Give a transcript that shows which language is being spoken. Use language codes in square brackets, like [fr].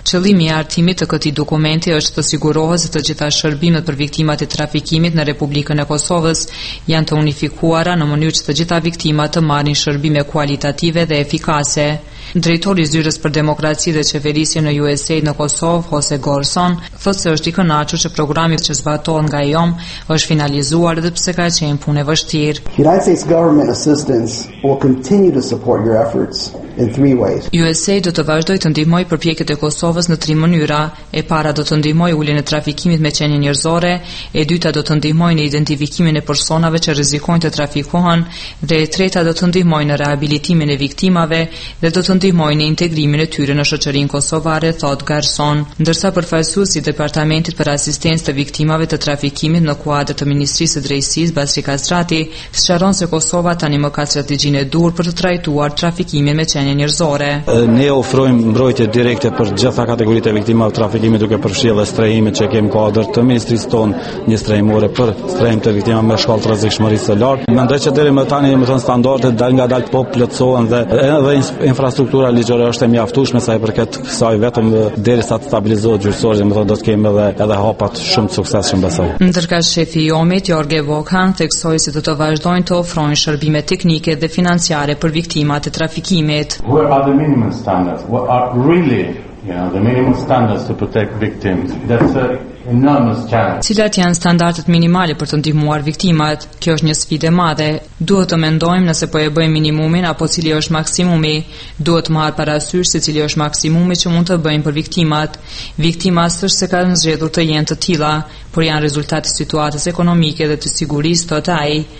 [sq] Qëllimi i hartimit të këtij dokumenti është të sigurohet se të gjitha shërbimet për viktimat e trafikimit në Republikën e Kosovës janë të unifikuara në mënyrë që të gjitha viktimat të marrin shërbime kualitative dhe efikase. Drejtori i Zyrës për Demokraci dhe Qeverisje në USAID në Kosovë, Jose Gorson, thotë se është i kënaqur që programi që zbatohet nga IOM është finalizuar edhe pse ka qenë punë vështirë. [en] United States government assistance will continue to support your efforts in three ways. [sq] USAID do të vazhdojë të ndihmojë përpjekjet e Kosovës në tri mënyra. E para do të ndihmojë uljen e trafikimit me qenie njerëzore, e dyta do të ndihmojë në identifikimin e personave që rrezikojnë të trafikohen dhe e treta do të ndihmojë në riabilitimin e viktimave dhe do të ndihmojnë në integrimin e tyre në shoqërinë kosovare, thot Garson. Ndërsa përfaqësuesi i Departamentit për Asistencë të Viktimave të Trafikimit në kuadër të Ministrisë së Drejtësisë, Basri Kastrati, sqaron se Kosova tani më ka strategjinë e dur për të trajtuar trafikimin me qenie njerëzore. Ne ofrojmë mbrojtje direkte për të gjitha kategoritë e viktimave të trafikimit, duke përfshirë dhe strehimin që kemi kuadër të ministrisë tonë, një strehimore për strehim të viktimave me shkallë të rrezikshmërisë së lartë. Mendoj që deri më tani, domethënë standardet ngadalë po plotësohen dhe infrastruktura ligjore është e mjaftueshme sa i përket kësaj, vetëm derisa të stabilizohet gjyqësori, domethënë do të kemi edhe hapat shumë të suksesshëm besoj. Ndërka shefi i IOM-it, Jorge Vokhan, theksoi se do të vazhdojnë të ofrojnë shërbime teknike dhe financiare për viktimat e trafikimit. [en] Where are the minimum standards? What are really, the minimum standards to protect victims? That's a enormous challenge. [sq] Cilat janë standardet minimale për të ndihmuar viktimat? Kjo është një sfidë e madhe. Duhet të mendojmë nëse po e bëjmë minimumin apo cili është maksimumi. Duhet të marrë parasysh se cili është maksimumi që mund të bëjmë për viktimat. Viktima s'është se kanë zgjedhur të jenë të tilla, por janë rezultati situatës ekonomike dhe të sigurisë, thot ai.